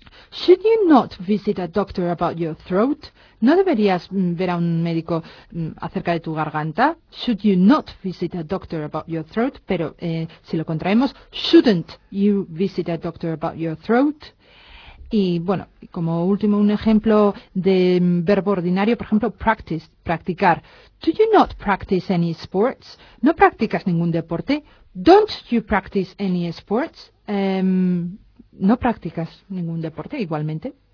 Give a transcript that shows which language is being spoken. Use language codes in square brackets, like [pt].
[en] Should you not visit a doctor about your throat? [es] ¿No deberías ver a un médico acerca de tu garganta? [en] Should you not visit a doctor about your throat? [es] Pero si lo contraemos, [en] shouldn't you visit a doctor about your throat? [es] Y bueno, como último un ejemplo de verbo ordinario, por ejemplo, practice, practicar. [en] Do you not practice any sports? [es] ¿No practicas ningún deporte? [en] Don't you practice any sports? [es] No practicas ningún deporte igualmente.